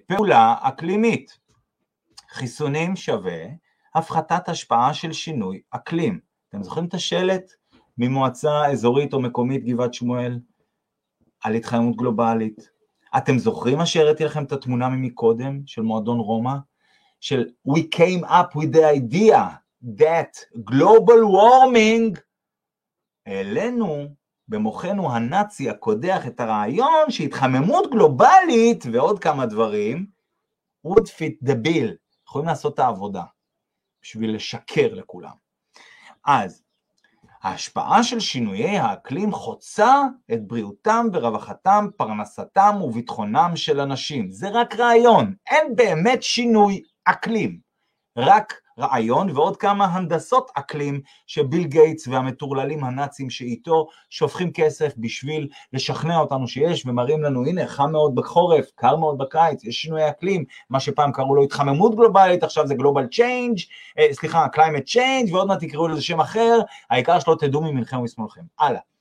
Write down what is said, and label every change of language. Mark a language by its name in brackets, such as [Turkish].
[Hebrew] פעולה אקלימית. חיסונים שווה הפחתת השפעה של שינוי אקלים. אתם זוכרים את השלט ממועצה אזורית או מקומית גבעת שמואל על התחממות גלובלית? אתם זוכרים מה שהראיתי לכם את התמונה ממקודם של מועדון רומא? [English] של we came up with the idea that global warming, [Hebrew] העלינו במוחנו הנאצי הקודח את הרעיון שהתחממות גלובלית ועוד כמה דברים [English] would fit the bill. [Hebrew] יכולים לעשות את העבודה בשביל לשקר לכולם. אז ההשפעה של שינויי האקלים חוצה את בריאותם ורווחתם, פרנסתם וביטחונם של אנשים. זה רק רעיון, אין באמת שינוי אקלים, רק רעיון ועוד כמה הנדסות אקלים שביל גייטס והמטורללים הנאצים שאיתו שופכים כסף בשביל לשכנע אותנו שיש, ומראים לנו הנה חם מאוד בחורף, קר מאוד בקיץ, יש שינוי אקלים, מה שפעם קראו לו התחממות גלובלית, עכשיו זה גלובל צ'יינג', קליימט צ'יינג', ועוד מעט תקראו לזה שם אחר, העיקר שלא תדעו ממלכם ומשמאלכם. הלאה.